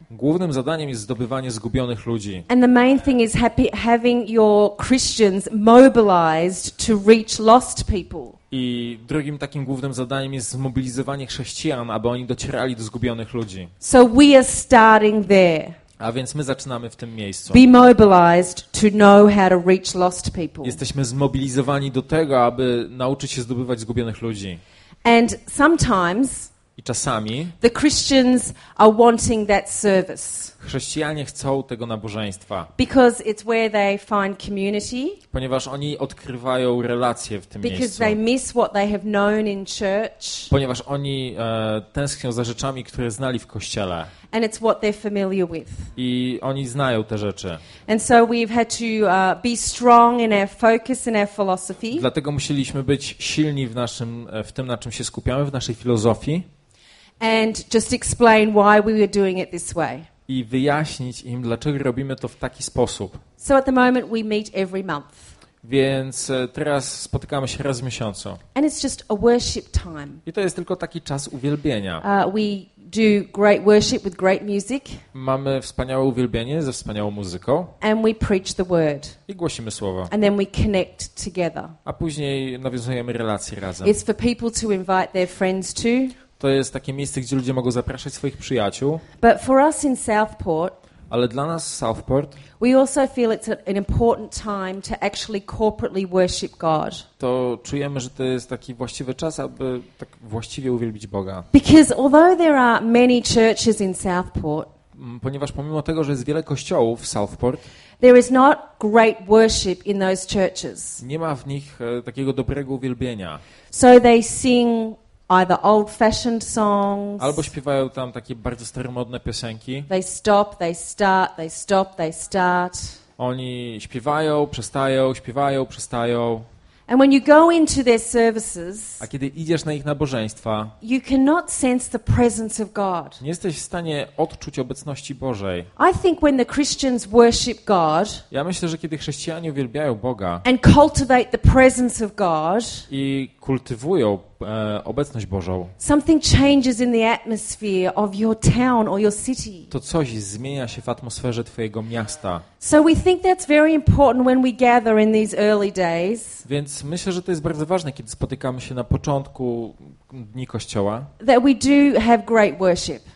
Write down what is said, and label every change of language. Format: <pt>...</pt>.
<pl>Głównym zadaniem jest zdobywanie zgubionych ludzi.</pl> <en>And the main thing is having your Christians mobilized to reach lost people.</en> <pl>I drugim takim głównym zadaniem jest zmobilizowanie chrześcijan, aby oni docierali do zgubionych ludzi.</pl> <en>So we are starting there.</en> <pl>A więc my zaczynamy w tym miejscu.</pl> <en>Be mobilized to know how to reach lost people.</en> <pl>Jesteśmy zmobilizowani do tego, aby nauczyć się zdobywać zgubionych ludzi.</pl> <en>And sometimes</en> <pl>I czasami</pl> <en>the Christians are wanting that service.</en> <pl>Chrześcijanie chcą tego nabożeństwa.</pl> <en>Because it's where they find community.</en> <pl>Ponieważ oni odkrywają relacje w tym</pl> <en>because</en> <pl>miejscu.</pl> <en>Because they miss what they have known in church.</en> <pl>Ponieważ oni tęsknią za rzeczami, które znali w kościele.</pl> <en>And it's what they're familiar with.</en> <pl>I oni znają te rzeczy.</pl> <en>And so we've had to be strong in our focus and our philosophy.</en> <pl>Dlatego musieliśmy być silni w naszym w tym, na czym się skupiamy, w naszej filozofii.</pl> <en>And just explain why we were doing it this way.</en> <pl>I wyjaśnić im, dlaczego robimy to w taki sposób.</pl> <en>So at the moment we meet every month.</en> <pl>Więc teraz spotykamy się raz w miesiącu.</pl> <en>And it's just a worship time.</en> <pl>I to jest tylko taki czas uwielbienia.</pl> <en>We do great worship with great music.</en> <pl>Mamy wspaniałe uwielbienie ze wspaniałą muzyką.</pl> <en>And we preach the word.</en> <pl>I głosimy słowo.</pl> <en>And then we connect together.</en> <pl>A później nawiązujemy relacje razem.</pl> <en>It's for people to invite their friends to.</en> <pl>To jest takie miejsce, gdzie ludzie mogą zapraszać swoich przyjaciół.</pl> <en>But for us in Southport,</en> <pl>ale dla nas w Southport,</pl> <en>we also feel it's an important time to actually corporately worship God.</en> <pl>To czujemy, że to jest taki właściwy czas, aby tak właściwie uwielbić Boga.</pl> <en>Because although there are many churches in Southport,</en> <pl>ponieważ pomimo tego, że jest wiele kościołów w Southport,</pl> <en>there is not great worship in those churches.</en> <pl>Nie ma w nich takiego dobrego uwielbienia.</pl> <en>So they sing either old-fashioned songs.</en> <pl>Albo śpiewają tam takie bardzo staromodne piosenki.</pl> <en>They stop, they start, they stop, they start.</en> <pl>Oni śpiewają, przestają, śpiewają, przestają.</pl> <en>And when you go into their services,</en> <pl>a kiedy idziesz na ich nabożeństwa,</pl> <en>you cannot sense the presence of God.</en> <pl>Nie jesteś w stanie odczuć obecności Bożej.</pl> <en>I think when the Christians worship God,</en> <pl>ja myślę, że kiedy chrześcijanie uwielbiają Boga,</pl> <en>and cultivate the presence of God,</en> <pl>i kultywują obecność Bożą,</pl> <en>something changes in the atmosphere of your town or your city.</en> <pl>To coś zmienia się w atmosferze twojego miasta.</pl> <en>So we think that's very important when we gather in these early days.</en> <pl>Więc myślę, że to jest bardzo ważne, kiedy spotykamy się na początku dni kościoła.</pl> <en>That we do have great worship.</en>